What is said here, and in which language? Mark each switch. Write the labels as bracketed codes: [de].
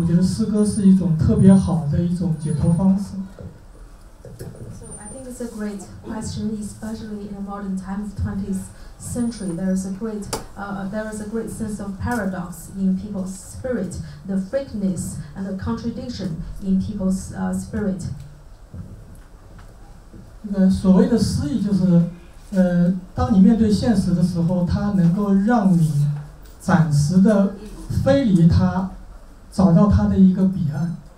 [zh] 因为我们进入现代社会以后，其实我们的精神进入了一个悖论时期，因为人性中间的这种反复无常，可以说达到了一个极限。因为我们这种社会高度的这种发展，使得这种矛盾，就是我们因为人有两面性嘛，所以达到了一个极限。所以这个时候，我觉得诗歌是一种特别好的一种解脱方式。 [en] It's a great question, especially in modern times, 20th century. There is a great sense of paradox in people's spirit, the freakness and the contradiction in people's spirit. [zh] 所谓的诗意就是，当你面对现实的时候，它能够让你暂时的飞离它，找到它的一个彼岸。